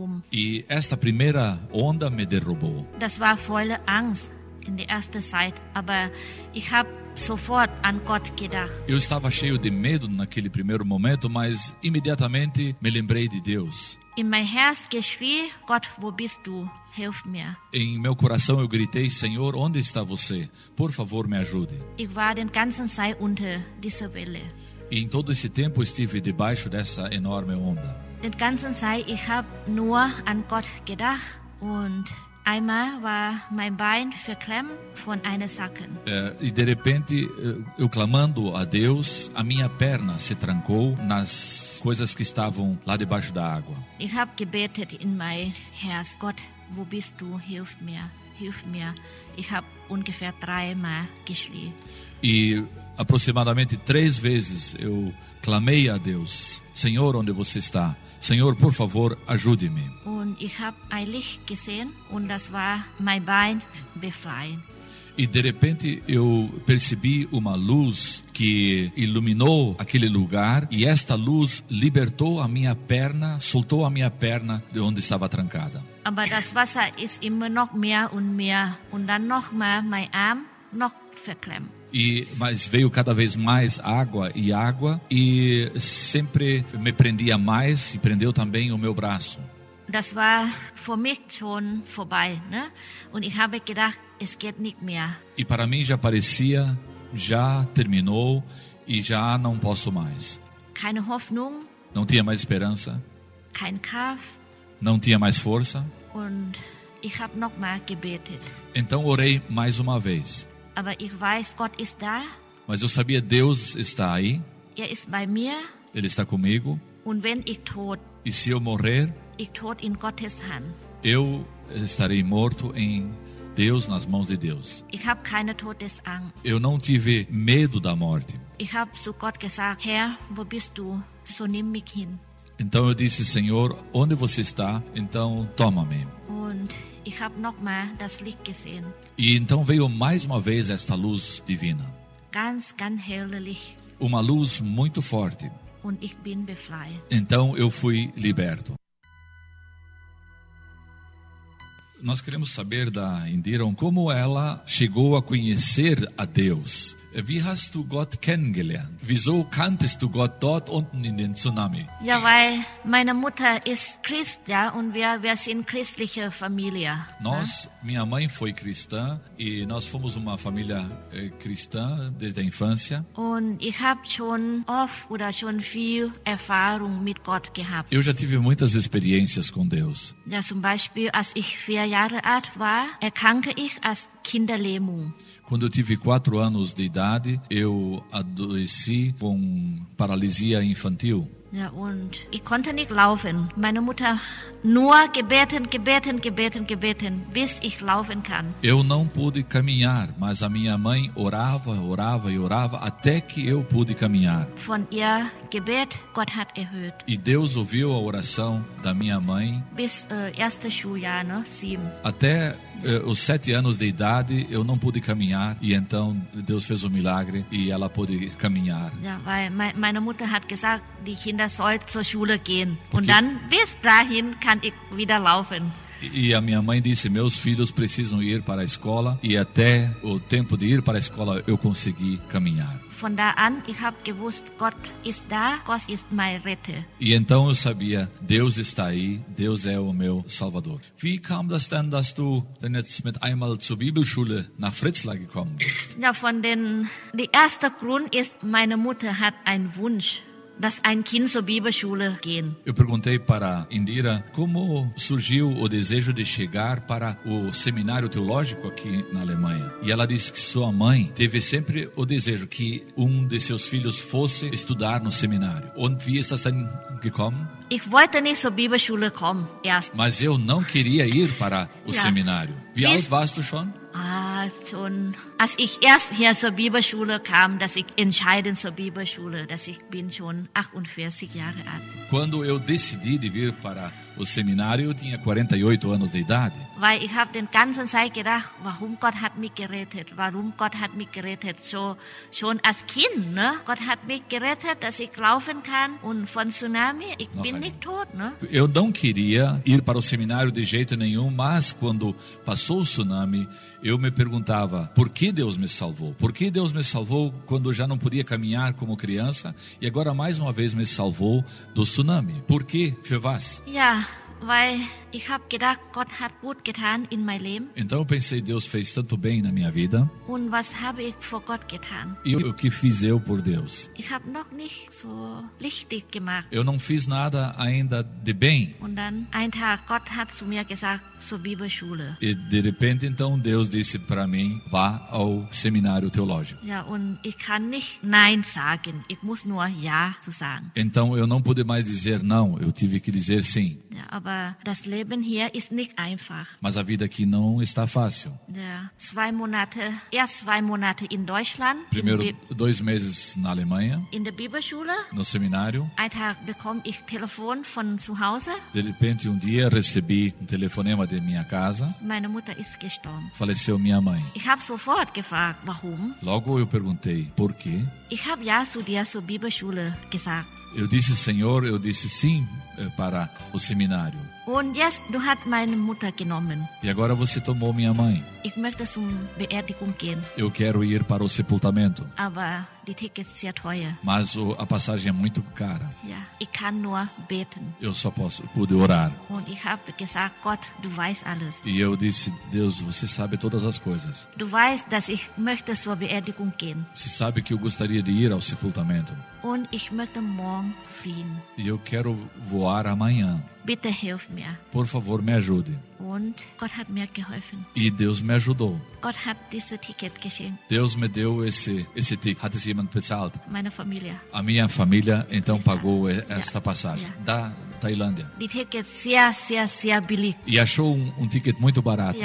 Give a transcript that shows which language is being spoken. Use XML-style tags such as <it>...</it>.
<pt>E esta primeira onda me derrubou.</pt> <de>Das war volle Angst in der erste Zeit, aber ich hab sofort an Gott gedacht.</de> <pt>Eu estava cheio de medo naquele primeiro momento, mas imediatamente me lembrei de Deus.</pt> <de>In mein Herz geschrie, Gott, wo bist du? Hilf mir.</de> <pt>Em meu coração eu gritei, Senhor, onde está você? Por favor, me ajude.</pt> <de>Ich war den ganzen Zeit unter dieser Welle.</de> <pt>E em todo esse tempo estive debaixo dessa enorme onda.</pt> <de>Den ganzen Zeit ich hab nur an Gott gedacht und einmal war mein Bein verklemmt von einer Sacken.</de> <pt>E de repente, eu clamando a Deus, a minha perna se trancou nas coisas que estavam lá debaixo da água.</pt> <de>Ich hab gebetet in mein Herz, Gott, wo bist du? Hilf mir, hilf mir. Ich hab ungefähr dreimal geschrien.</de> <pt>E aproximadamente 3 vezes eu clamei a Deus, Senhor, onde você está? Senhor, por favor, ajude-me.</pt> <de>Und ich hab ein Licht gesehen und das war mein Bein befreien.</de> <pt>E de repente eu percebi uma luz que iluminou aquele lugar e esta luz libertou a minha perna, soltou a minha perna de onde estava trancada.</pt> <de>Aber das Wasser ist immer noch mehr und dann noch mal mein Arm noch verklemmt.</de> <pt>Mas veio cada vez mais água e água e sempre me prendia mais e prendeu também o meu braço.</pt> <de>Das war für mich schon vorbei, ne? Und ich habe gedacht, es geht nicht mehr.</de> <pt>E para mim já parecia, já terminou e já não posso mais.</pt> <de>Keine Hoffnung.</de> <pt>Não tinha mais esperança.</pt> <de>Kein Kraft.</de> <pt>Não tinha mais força.</pt> <de>Und ich habe noch mal gebetet.</de> <pt>Então orei mais uma vez.</pt> <de>Aber ich weiß, Gott ist da.</de> <pt>Mas eu sabia, Deus está aí.</pt> <de>Er ist bei mir.</de> <pt>Ele está comigo.</pt> <de>Und wenn ich tot,</de> <pt>e se eu morrer,</pt> <de>ich tot in Gottes Hand.</de> <pt>Eu estarei morto em Deus, nas mãos de Deus.</pt> <de>Ich habe keine Todesangst.</de> <pt>Eu não tive medo da morte.</pt> <de>Ich habe zu Gott gesagt, Herr, wo bist du? So nimm mich hin.</de> <pt>Então eu disse, Senhor, onde você está? Então toma-me.</pt> <de>Und ich habe noch mal das Licht gesehen.</de> <pt>E então veio mais uma vez esta luz divina.</pt> <de>Ganz, ganz helle Licht.</de> <pt>Uma luz muito forte.</pt> <de>Und ich bin befreit.</de> <pt>Então eu fui liberto. Nós queremos saber da Indira como ela chegou a conhecer a Deus.</pt> <de>Wie hast du Gott kennengelernt? Wieso kanntest du Gott dort unten in den Tsunami? Ja, weil meine Mutter ist Christ, ja, und wir sind christliche Familie.</de> <pt>Nós, ja? Minha mãe foi cristã e nós fomos uma família cristã desde a infância.</pt> <de>Und ich habe schon oft oder schon viel Erfahrung mit Gott gehabt.</de> <pt>Eu já tive muitas experiências com Deus.</pt> <de>Ja, zum Beispiel, als ich 4 Jahre alt war, erkrankte ich als Kinderlähmung.</de> <pt>Quando eu tive 4 anos de idade, eu adoeci com paralisia infantil.</pt> <de>Ja, und ich konnte nicht laufen. Meine Mutter nur gebeten, gebeten, gebeten, gebeten, bis ich laufen kann.</de> <pt>Eu não pude caminhar, mas a minha mãe orava, orava e orava até que eu pude caminhar.</pt> <de>Von ihr Gebet, Gott hat erhört.</de> <pt>E Deus ouviu a oração da minha mãe.</pt> <de>Bis erste Schuljahr, ne? 7.</de> <pt>Até os 7 anos de idade, eu não pude caminhar e então Deus fez um milagre e ela pôde caminhar.</pt> <de>Ja, weil meine Mutter hat gesagt, die Kinder sollen zur Schule gehen.</de> <pt>Porque...</pt> <de>Und dann bis dahin kann ich wieder laufen.</de> <pt>E a minha mãe disse, meus filhos precisam ir para a escola e até o tempo de ir para a escola eu consegui caminhar.</pt> <de>Von da an, ich hab gewusst, Gott ist da, Gott ist mein Retter.</de> <pt>E então eu sabia, Deus está aí, Deus é o meu Salvador.</pt> <de>Wie kam das denn, dass du denn jetzt mit einmal zur Bibelschule nach Fritzlar gekommen bist? Ja, von den, die erste Grund ist, meine Mutter hat einen Wunsch, dass ein Kind zur Bibelschule gehen.</de> <pt>Eu perguntei para Indira, como surgiu o desejo de chegar para o seminário teológico aqui na Alemanha? E ela disse que sua mãe teve sempre o desejo que um de seus filhos fosse estudar no seminário.</pt> <de>Und wie ist das denn gekommen? Ich wollte nicht zur Bibelschule kommen, erst.</de> <pt>Mas eu não queria ir para o ja.</pt> <de>Seminário. Wie alt warst du schon? Schon, als ich erst hier zur Bibelschule kam, dass ich entscheiden zur Bibelschule, dass ich bin schon 48 Jahre alt.</de> <pt>Quando eu decidi de vir para o seminário, eu tinha 48 anos de idade.</pt> <de>Weil ich habe den ganzen Zeit gedacht, warum Gott hat mich gerettet, warum Gott hat mich gerettet, so schon als Kind, ne? Gott hat mich gerettet, dass ich laufen kann und von Tsunami, ich bin nicht tot, ne?</de> <pt>Eu não queria ir para o seminário de jeito nenhum, mas quando passou o tsunami, eu me perguntava, por que Deus me salvou? Por que Deus me salvou quando eu já não podia caminhar como criança e agora mais uma vez me salvou do tsunami? Por que, Fevaz?</pt> <de>Ja, weil ich habe gedacht, Gott hat gut getan in mein Leben.</de> <pt>Então eu pensei, Deus fez tanto bem na minha vida.</pt> <de>Und was habe ich vor Gott getan?</de> <pt>E o que fiz eu por Deus?</pt> <de>Ich habe noch nicht so richtig gemacht.</de> <pt>Eu não fiz nada ainda de bem.</pt> <de>Und dann ein Tag, Gott hat zu mir gesagt, zur Bibelschule.</de> <pt>E de repente então Deus disse para mim, vá ao seminário teológico.</pt> <de>Ja, und ich kann nicht nein sagen. Ich muss nur ja zu sagen.</de> <pt>Então eu não pude mais dizer não, eu tive que dizer sim.</pt> <de>Ja, aber das Leben hier ist nicht einfach.</de> <pt>Mas a vida aqui não está fácil.</pt> <de>Ja, 2 Monate, erst 2 Monate in Deutschland.</de> <pt>Primeiro 2 meses na Alemanha.</pt> <de>In der Bibelschule.</de> <pt>No seminário.</pt> <de>Ein Tag bekomme ich Telefon von zu Hause.</de> <pt>De repente dia recebi telefonema de minha casa.</pt> <de>Meine Mutter ist gestorben.</de> <pt>Faleceu minha mãe.</pt> <de>Ich habe sofort gefragt, warum?</de> <pt>Logo eu perguntei, por quê?</pt> <de>Ich habe ja zu dir zur Bibelschule gesagt.</de> <pt>Eu disse, Senhor, eu disse sim para o seminário.</pt> <de>Und jetzt, du hast meine Mutter genommen.</de> <pt>E agora você tomou minha mãe.</pt> <de>Ich möchte zum Beerdigung gehen.</de> <pt>Eu quero ir para o sepultamento.</pt> <de>Aber die Ticket ist sehr teuer.</de> <pt>Mas a passagem é muito cara.</pt> <de>Ja, ich kann nur beten.</de> <pt>Eu só posso, pude orar.</pt> <de>Und ich habe gesagt, Gott, du weißt alles.</de> <pt>E eu disse, Deus, você sabe todas as coisas.</pt> <de>Du weißt, dass ich möchte zur Beerdigung gehen.</de> <pt>Você sabe que eu gostaria de ir ao sepultamento.</pt> <de>Und ich möchte morgen fliegen.</de> <pt>E eu quero voar amanhã.</pt> <de>Bitte hilf mir.</de> <pt>Por favor, me ajude.</pt> <de>Und Gott hat mir geholfen.</de> <pt>E Deus me ajudou.</pt> <de>Gott hat dieses Ticket geschenkt.</de> <pt>Deus me deu esse ticket.</pt> <de>Hat es jemand bezahlt? Meine Familie.</de> <pt>A minha família então pagou esta passagem. Yeah. Da Tailândia.</pt> <de>Die Ticket sehr billig.</de> <pt>E achou um ticket muito barato.</pt>